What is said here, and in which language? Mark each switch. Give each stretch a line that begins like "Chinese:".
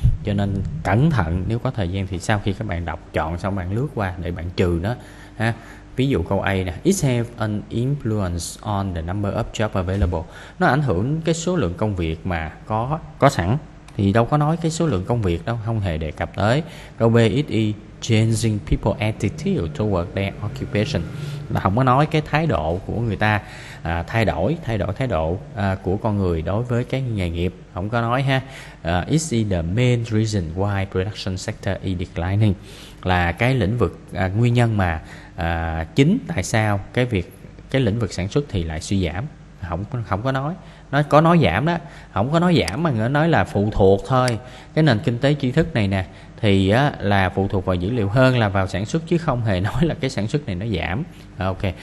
Vietnamese: Cho nên cẩn thận, nếu có thời gian thì sau khi các bạn đọc chọn xong bạn lướt qua để bạn trừ nó ha. Ví dụ câu A nè,
English: it have an influence on the number of jobs available.
Vietnamese: Nó ảnh hưởng cái số lượng công việc mà có sẵn. Thì đâu có nói cái số lượng công việc đâu, không hề đề cập tới. Câu B,
English: it is changing people's attitude toward their occupation.
Vietnamese: Là không có nói cái thái độ của người ta thay đổi thái độ của con người đối với cái nghề nghiệp. Không có nói ha.
English: It is the main reason why production sector is declining.
Vietnamese: Là cái lĩnh vực nguyên nhân mà chính tại sao cái việc cái lĩnh vực sản xuất thì lại suy giảm. Không có nói, nó có nói giảm đó, không có nói giảm mà nói là phụ thuộc thôi. Cái nền kinh tế tri thức này nè thì là phụ thuộc vào dữ liệu hơn là vào sản xuất, chứ không hề nói là cái sản xuất này nó giảm. Ok.